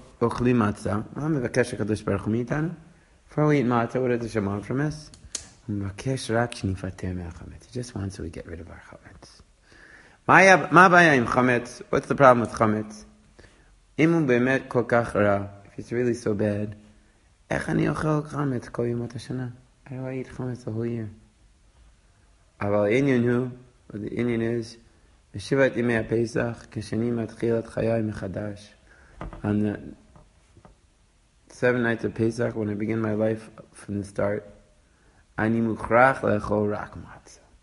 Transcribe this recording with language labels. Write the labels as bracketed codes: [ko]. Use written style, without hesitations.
[he] אוכלים מצה, מה מבקש הקדוש ברוך הוא מאיתנו? [en] For we eat matzah, what does Hashem want from us? [he] הוא מבקש רק שנפטר מהחמץ. [en] He just wants that we get rid of our חמץ. [he] מה הבעיה עם חמץ? [en] What's the problem with חמץ? [he] אם הוא באמת כל כך רע, [en] if it's really so bad, [he] איך אני אוכל חמץ כל ימות השנה? [en] I don't eat חמץ the whole year. [he] אבל העניין הוא, [en] the Indian is, [he] בשבעת ימי הפסח, כשאני מתחיל את חיי מחדש, [en] on the seven nights of Pesach, when I begin my life from the start, [he] אני מוכרח לאכול רק מצה.